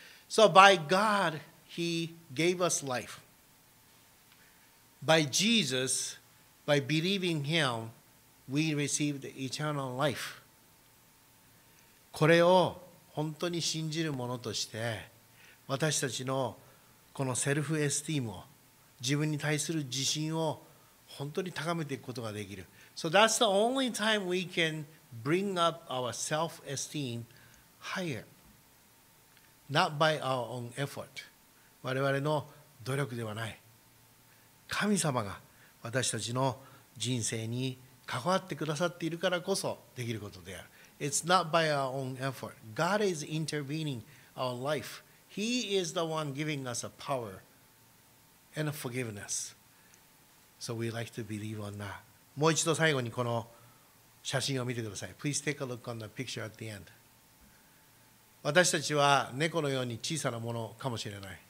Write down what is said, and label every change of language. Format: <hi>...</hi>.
<en>So by God, He gave us life. By Jesus, by believing Him, we received eternal life.</en> <ja>これを本当に信じる者として、私たちのこのセルフエスティームを、自分に対する自信を本当に高めていくことができる。</ja> <en>So that's the only time we can bring up our self-esteem higher. Not by our own effort.</en> <ja>我々の努力ではない。神様が私たちの人生に関わってくださっているからこそできることである。</ja> <en>It's not by our own effort. God is intervening our life. He is the one giving us a power and a forgiveness. So we like to believe on that.</en> <ja>もう一度最後にこの写真を見てください。</ja> <en>Please take a look on the picture at the end.</en> <ja>私たちは猫のように小さなものかもしれない。</ja>